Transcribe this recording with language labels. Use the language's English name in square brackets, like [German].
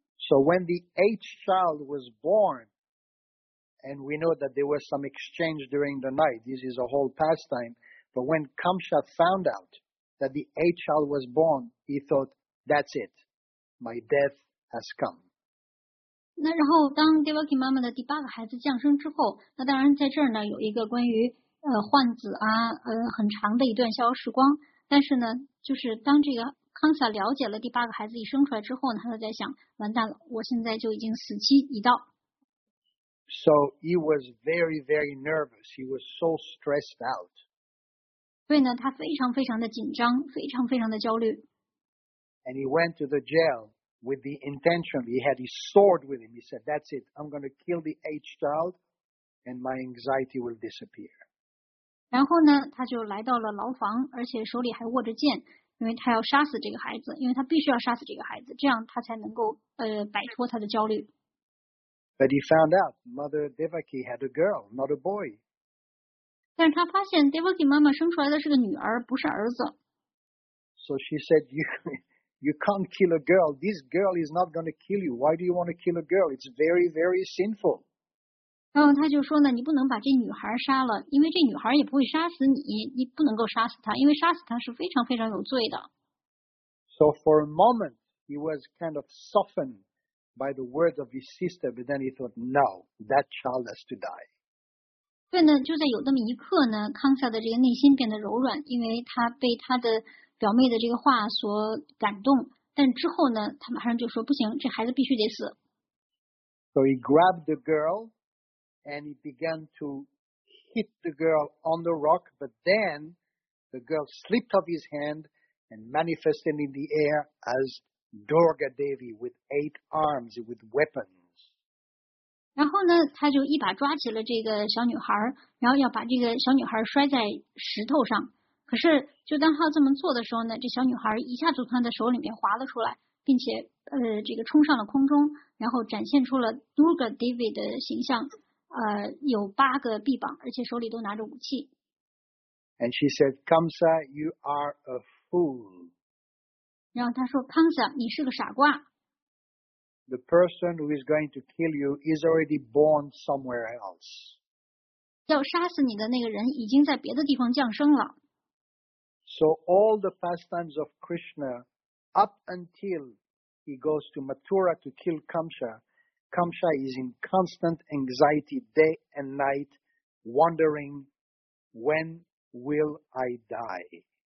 [English] So when the eighth child was born, and we know that there was some exchange during the night, this is a whole pastime, but when Kamsa found out that the eighth child was born, he thought, that's it, my death has come. [Chinese] 那然后当 Devaki 妈妈的第八个孩子降生之后，那当然在这儿呢有一个关于患子啊很长的一段逍遥时光，但是呢就是当这个康萨了解了第八个孩子一生出来之后呢，他就在想，完蛋了，我现在就已经死期已到。 [English] So he was very very nervous, he was so stressed out. [Chinese] 所以呢他非常非常的紧张，非常非常的焦虑。 [English] And he went to the jail with the intention, he had his sword with him, he said, that's it, I'm going to kill the eighth child and my anxiety will disappear. [Chinese] 然后呢他就来到了牢房，而且手里还握着剑，因为他要杀死这个孩子，因为他必须要杀死这个孩子，这样他才能够摆脱他的焦虑。 [English] But he found out Mother Devaki had a girl, not a boy. [Chinese] 但是他发现 Devaki 妈妈生出来的是个女儿，不是儿子。 [English] So she said, you can't kill a girl. This girl is not going to kill you. Why do you want to kill a girl? It's very, very sinful. [Chinese] 然后他就说呢，你不能把这女孩杀了，因为这女孩也不会杀死你，你不能够杀死她，因为杀死她是非常非常有罪的。 [English] So for a moment, he was kind of softened by the words of his sister, but then he thought, no, that child has to die. [Chinese] 所以呢，就在有那么一刻呢，康萨的这个内心变得柔软，因为他被他的表妹的这个话所感动，但之后呢，他马上就说不行，这孩子必须得死。 [English] So he grabbed the girl and he began to hit the girl on the rock, but then the girl slipped off his hand and manifested in the air as Durga Devi with eight arms with weapons. [Chinese] 然后呢，他就一把抓起了这个小女孩，然后要把这个小女孩摔在石头上。可是就当他这么做的时候呢，这小女孩一下从他的手里面滑了出来，并且这个冲上了空中，然后展现出了 Durga Devi 的形象，有八个臂膀，而且手里都拿着武器。 [English] And she said, Kamsa, you are a fool. [Chinese] 然后他说 Kamsa, 你是个傻瓜。 [English] The person who is going to kill you is already born somewhere else. [Chinese] 要杀死你的那个人已经在别的地方降生了。 [English] So all the pastimes of Krishna, up until he goes to Mathura to kill Kamsa, Kamsa is in constant anxiety day and night, wondering, when will I die?